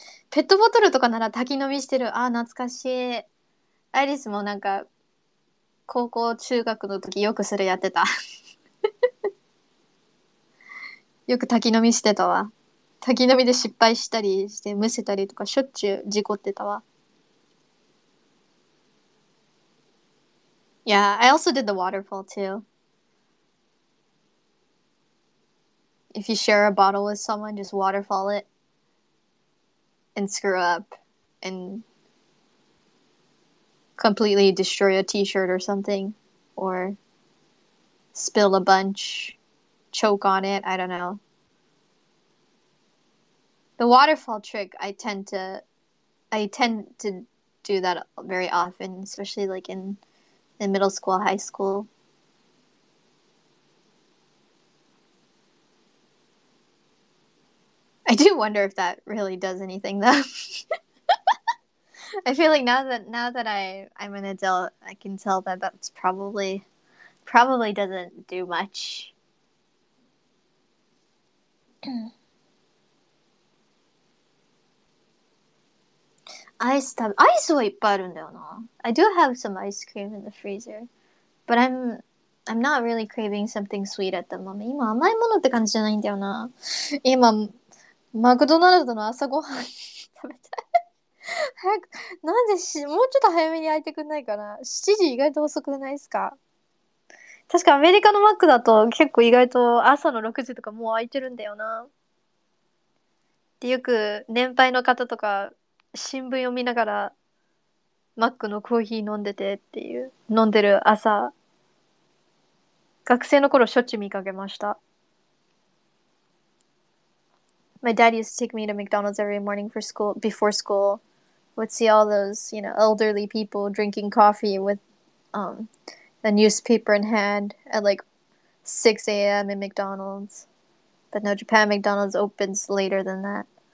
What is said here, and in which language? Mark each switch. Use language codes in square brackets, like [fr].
[ja] ペットボトルとかなら滝飲みしてる。ああ、懐かしい。アイリスもなんか、高校中学の時よくそれやってた。よく滝飲みしてたわ。滝飲みで失敗したりしてむせたりとかしょっちゅう事故ってたわ。 [en] Yeah, I also did the waterfall too. If you share a bottle with someone, just waterfall it and screw up and completely destroy a t-shirt or something or spill a bunch, choke on it, I don't know. The waterfall trick, I tend to do that very often, especially like in middle school, high school. I do wonder if that really does anything, though. I feel like now that I'm an adult, I can tell that that's probably doesn't do much. [ja] アイスはいっぱいあるんだよな。 [en] I do have some ice cream in the freezer. But I'm not really craving something sweet at the moment. [ja] 今甘いものって感じじゃないんだよな。今、マクドナルドの朝ごはん 食べたい。早く、なんでし、もうちょっと早めに開いてくんないかな。 7時意外と遅くないですか？確かアメリカのマックだと結構意外と朝の6時とかもう開いてるんだよな。で、よく年配の方とか、新聞読みながらマックのコーヒー飲んでてっていう飲んでる朝学生の頃しょっちゅう見かけました。 [en] My dad used to take me to McDonald's every morning for school before school. Would see all those, you know, elderly people drinking coffee with a newspaper in hand at like 6 a.m. in McDonald's. But no, Japan McDonald's opens later than that.